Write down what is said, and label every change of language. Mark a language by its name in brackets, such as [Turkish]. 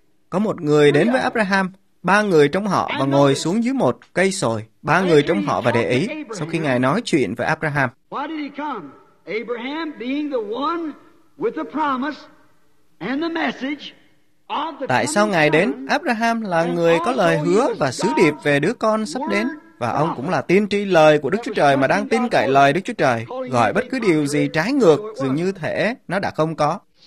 [Vietnamese] Có một người đến với Abraham, ba người trong họ và ngồi xuống dưới một cây sồi, ba người trong họ và để ý, sau khi Ngài nói chuyện với Abraham. [English] Abraham being the one with the promise and the message. [Vietnamese] Tại sao Ngài đến? Abraham là người có lời hứa và sứ điệp về đứa con sắp đến. Và ông cũng là tiên tri lời của Đức Chúa Trời mà đang tin cậy lời Đức Chúa Trời. Gọi bất cứ điều gì trái ngược, dường như thể nó đã không có.